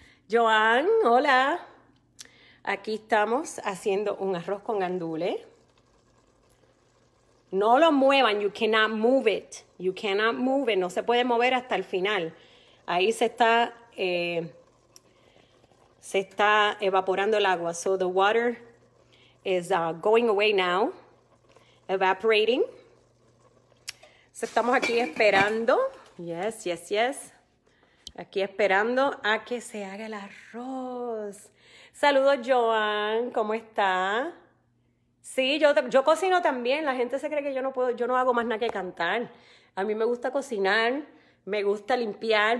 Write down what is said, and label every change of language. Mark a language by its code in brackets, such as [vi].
[es] Joan, hola. Aquí estamos haciendo un arroz con gandules. No lo muevan, [en] you cannot move it. You cannot move it. [es] No se puede mover hasta el final. Ahí se está. Se está evaporando el agua. [en] So the water is going away now, evaporating. [es] Estamos aquí esperando. Yes, yes, yes. Aquí esperando a que se haga el arroz. Saludos, Joan. ¿Cómo está? Sí, yo cocino también. La gente se cree que yo no puedo, yo no hago más nada que cantar. A mí me gusta cocinar, me gusta limpiar.